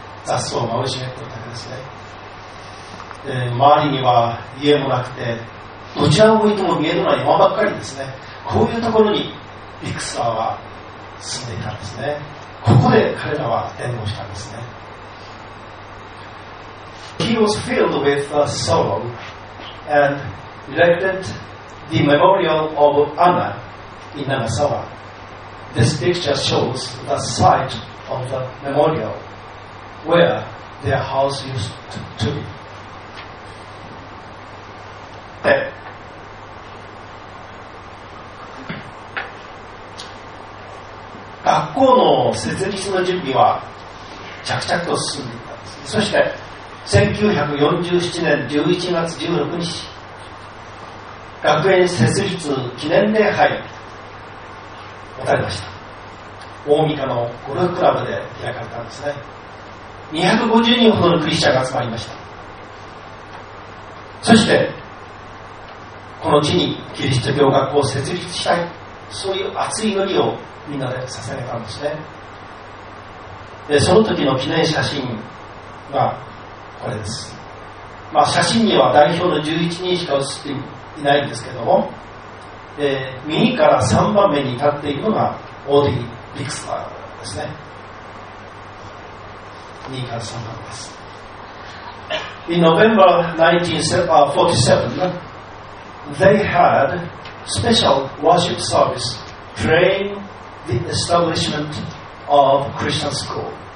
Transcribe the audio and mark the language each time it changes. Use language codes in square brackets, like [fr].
[ja] 雑草が生い茂っているだけですね。周りには家もなくて、どちらを向いても見えるのは山ばっかりですね。こういうところにビクスラーは住んでいたんですね。ここで彼らは伝道したんですね。 [en] He was filled with sorrow and erected the memorial of Anna in Nagasawa. This picture shows the site of the memorial where their house used to be. [ja] で、学校の設立の準備は着々と進んでいったんです。そして1947年11月16日、学園設立記念礼拝を持たれました。大三河のゴルフクラブで開かれたんですね。250人ほどのクリスチャンが集まりました。そしてこの地にキリスト教学校を設立したい、そういう熱い祈りをみんなで捧げたんですね。でその時の記念写真がこれです。まあ、写真には代表の11人しか写っていないんですけども、右から3番目に立っているのがオーディビクスラーですね。 2から3番です。 [en] In November 1947, they had special worship service praying the establishment of Christian school.